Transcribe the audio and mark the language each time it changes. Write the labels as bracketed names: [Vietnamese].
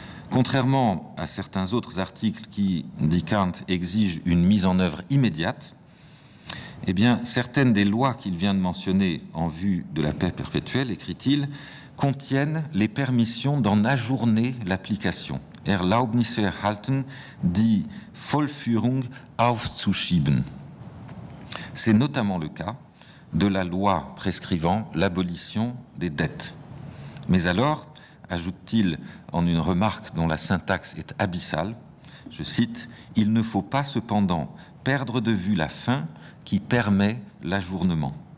[French] Contrairement à certains autres articles qui, dit Kant, exigent une mise en œuvre immédiate, eh bien, certaines des lois qu'il vient de mentionner en vue de la paix perpétuelle, écrit-il, contiennent les permissions d'en ajourner l'application. [German] Erlaubnis erhalten, die Vollführung aufzuschieben. [French] C'est notamment le cas de la loi prescrivant l'abolition des dettes. Mais alors, ajoute-t-il en une remarque dont la syntaxe est abyssale, je cite, « il ne faut pas cependant perdre de vue la fin qui permet l'ajournement.